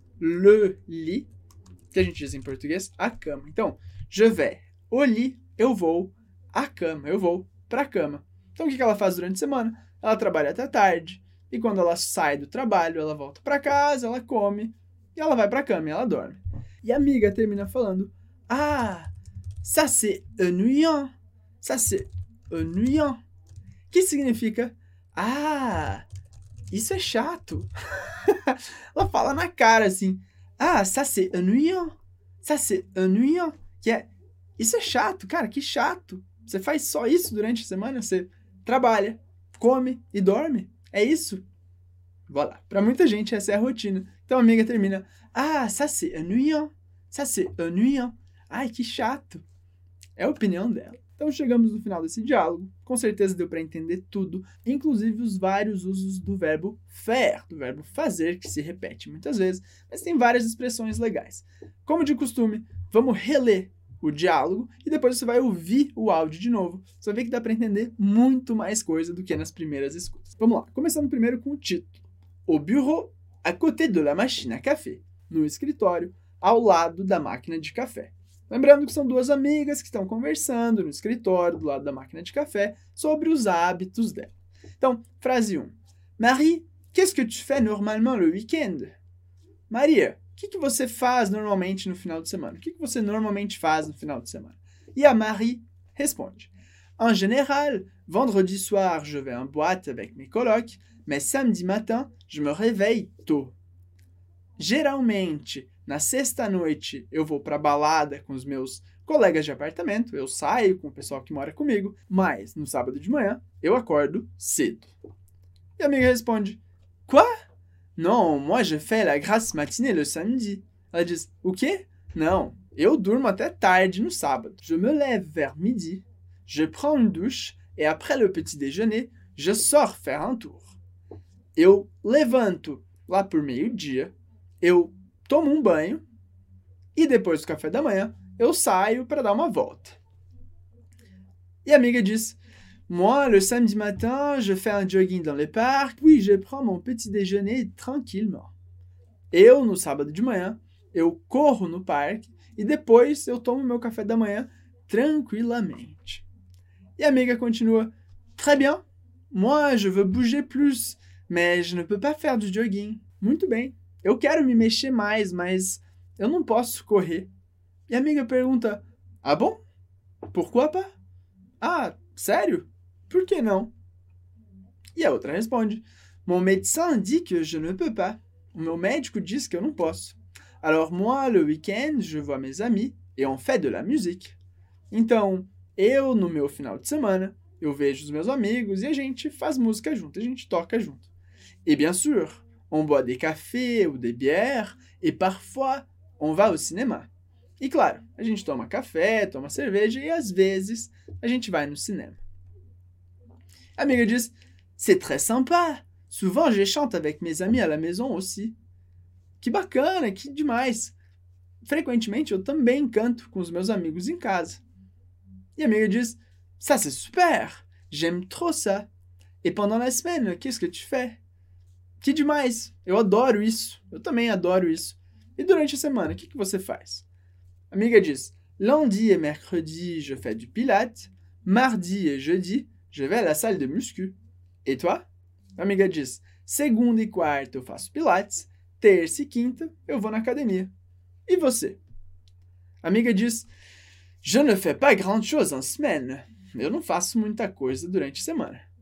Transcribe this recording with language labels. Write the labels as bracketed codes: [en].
[fr] Le lit, [pt] que a gente diz em português, a cama. Então, [fr] je vais au lit, [pt] eu vou à cama, eu vou para a cama. Então, o que ela faz durante a semana? Ela trabalha até tarde, e quando ela sai do trabalho, ela volta para casa, ela come, e ela vai para a cama, e ela dorme. E a amiga termina falando, [fr] ah, ça c'est ennuyant, ça c'est ennuyant. [pt] Que significa, ah, isso é chato. Ela fala na cara assim, [fr] ah, ça c'est ennuyant, [pt] que é, isso é chato, cara, que chato. Você faz só isso durante a semana? Você trabalha, come e dorme? É isso? Voilà, pra muita gente essa é a rotina. Então a amiga termina, [fr] ah, ça c'est ennuyant, [pt] ai, que chato. É a opinião dela. Então chegamos no final desse diálogo, com certeza deu para entender tudo, inclusive os vários usos do verbo faire, do verbo fazer, que se repete muitas vezes, mas tem várias expressões legais. Como de costume, vamos reler o diálogo e depois você vai ouvir o áudio de novo, você vai ver que dá para entender muito mais coisa do que nas primeiras escutas. Vamos lá, começando primeiro com o título. [fr] Au bureau, à côté de la machine à café. [pt] No escritório, ao lado da máquina de café. Lembrando que são duas amigas que estão conversando no escritório, do lado da máquina de café, sobre os hábitos dela. Então, frase 1. [fr] Marie, qu'est-ce que tu fais normalement le week-end? [pt] Maria, o que você faz normalmente no final de semana? O que você normalmente faz no final de semana? E a Marie Responde. [fr] En général, vendredi soir, je vais en boîte avec mes colocs, mais samedi matin, je me réveille tôt. [pt] Geralmente, na sexta-noite, eu vou pra balada com os meus colegas de apartamento, eu saio com o pessoal que mora comigo, mas no sábado de manhã, eu acordo cedo. E a amiga responde, [fr] quoi? Non, moi je fais la grasse matinée le samedi. [pt] Ela diz, o quê? Não, eu durmo até tarde no sábado. [fr] Je me lève vers midi, je prends une douche, et après le petit déjeuner, je sors faire un tour. [pt] Eu levanto lá por meio-dia, eu tomo um banho, e depois do café da manhã, eu saio para dar uma volta. E a amiga diz, [fr] moi, le samedi matin, je fais un jogging dans le parc, puis je prends mon petit déjeuner tranquillement. [pt] Eu, no sábado de manhã, eu corro no parque e depois eu tomo meu café da manhã tranquilamente. E a amiga continua, [fr] très bien, moi, je veux bouger plus, mais je ne peux pas faire du jogging. [pt] Muito bem, eu quero me mexer mais, mas eu não posso correr. E a amiga pergunta, [fr] ah bon? Pourquoi pas? [pt] Ah, sério? Por que não? E a outra responde, [fr] mon médecin dit que je ne peux pas. [pt] O meu médico diz que eu não posso. [fr] Alors moi, le week-end, je vois mes amis et on fait de la musique. [pt] Então, eu, no meu final de semana, eu vejo os meus amigos e a gente faz música junto, a gente toca junto. [fr] Et bien sûr, on boit des cafés ou des bières et parfois, on va au cinéma. [pt] E claro, a gente toma café, toma cerveja e às vezes a gente vai no cinema. A amiga diz, [fr] c'est très sympa. Souvent je chante avec mes amis à la maison aussi. [pt] Que bacana, que demais. Frequentemente eu também canto com os meus amigos em casa. E a amiga diz, [fr] ça c'est super. J'aime trop ça. Et pendant la semaine, qu'est-ce que tu fais? [pt] Que demais, eu adoro isso. Eu também adoro isso. E durante a semana, o que você faz? A amiga diz, [fr] lundi et mercredi, je fais du pilates. Mardi et jeudi, je vais à la salle de muscu. Et toi? [pt] A amiga diz, segunda e quarta eu faço pilates, terça e quinta eu vou na academia. E você? A amiga diz, [fr] je ne fais pas grande chose en semaine. [pt] Eu não faço muita coisa durante a semana.